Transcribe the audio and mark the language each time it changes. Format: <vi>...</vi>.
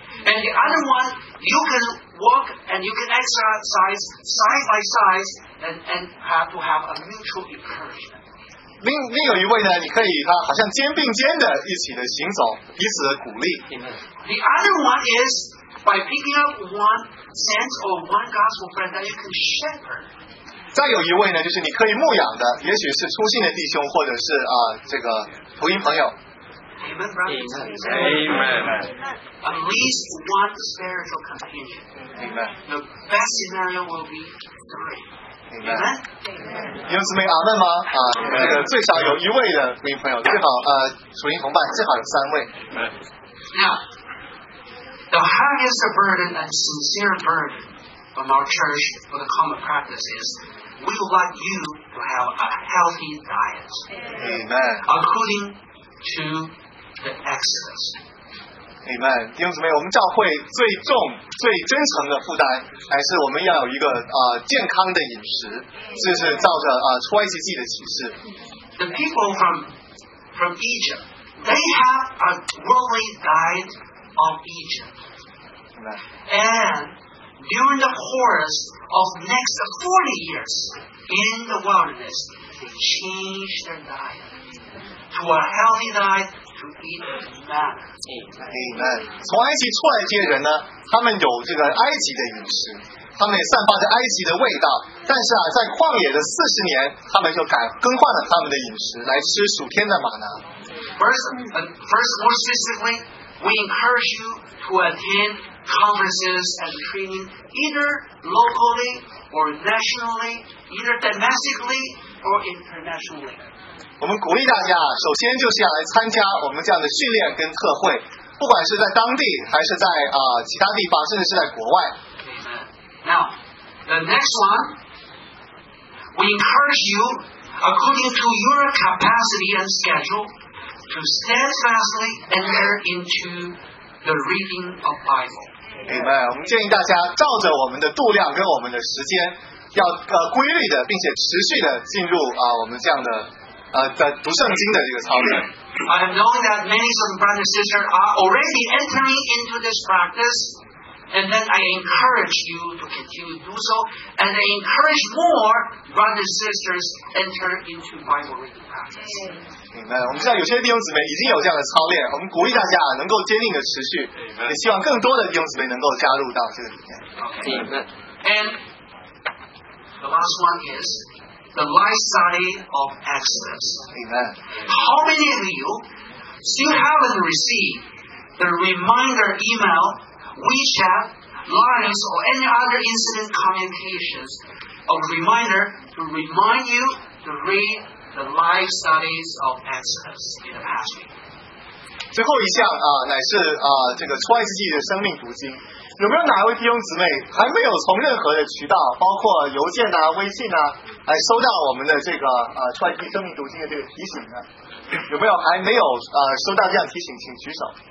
<en>And the other one you can walk and you can exercise side by side. And have to have a mutual encouragement. The other one is by picking up one saint or one gospel friend that you can shepherd.</en> <zh>再有一位呢，就是你可以牧养的，也许是出信的弟兄，或者是这个福音朋友。</zh> <en>Amen, brother. Amen. At least one spiritual companion. Amen. The best scenario will be three. Amen.</en> <zh>弟兄姊妹，阿门吗？最少有一位的福音朋友，最好属灵同伴，最好有三位。</zh> <en>Now, the heaviest burden and sincere burden from our church for the common practice is we want you to have a healthy diet. Amen. According to the Exodus. Amen.</en> <zh>弟兄姊妹，我们教会最重最真诚的负担还是我们要有一个健康的饮食，这是照着出埃及记的启示。</zh> <en>The people from Egypt, they have a worldly diet of Egypt. And during the course of next 40 years in the wilderness, they change their diet to a healthy diet. Amen.</en> <zh>从埃及出来这些人呢，他们有这个埃及的饮食，他们也散发着埃及的味道。但是啊，在旷野的四十年，他们就更换了他们的饮食，来吃属天的玛拿。</zh> <en>First, more specifically, we encourage you to attend conferences and training, either locally or nationally, either domestically or internationally.</en> <zh>我们鼓励大家，首先就是要来参加我们这样的训练跟特会，不管是在当地还是在其他地方，甚至是在国外。</zh> <en>Now, the next one, we encourage you, according to your capacity and schedule, to steadfastly enter into the reading of Bible. Amen.</en> <zh>我们建议大家照着我们的度量跟我们的时间要规律的并且持续的进入我们这样的在读圣经的这个操练。</zh> <en>I have known that many of my brothers and sisters are already entering into this practice, and then I encourage you to continue to do so, and I encourage more brothers and sisters enter into Bible reading practice. Amen.</en> <zh>我们知道有些弟兄姊妹已经有这样的操练，我们鼓励大家能够坚定的持续，也希望更多的弟兄姊妹能够加入到这个里面。</zh> <en>Amen. And the last one is. The life study of Exodus. Amen. How many of you still haven't received the reminder email, WeChat, Lines, or any other incident communications of reminder to remind you to read the life studies of Exodus in the past week?</en> <zh>最后一项乃是这个出埃及记的生命读经。有没有哪位弟兄姊妹还没有从任何的渠道，包括邮件啊、微信啊，来收到我们的这个出埃及记生命读经的这个提醒呢？有没有还没有收到这样提醒，请举手。</zh>